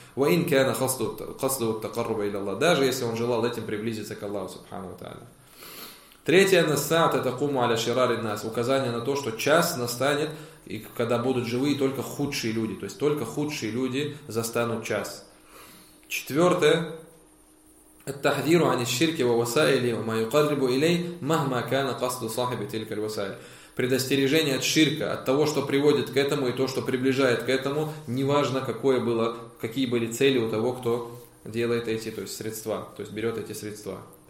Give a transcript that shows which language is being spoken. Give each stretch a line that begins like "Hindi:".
Arabic: «Ва ин кана хасду ат-такарруба иля Аллах».
Russian: Даже если он желал этим приблизиться к Аллаху субхана ва тааля. Третья насаат — это
Arabic: куму аля ширари нас,
Russian: указание на то, что час настанет, и когда будут живые только худшие люди, то есть только худшие люди застанут час. Четвертое
Arabic: — التحذير عن الشرك ووسائل ما يقرب إليه مهما كان قصد صاحب تلك الوسائل.
Russian: Предостережение от ширка, от того, что приводит к этому, и то, что приближает к этому, неважно, какое было, какие были цели у того, кто делает эти, то есть средства, то есть берет эти средства.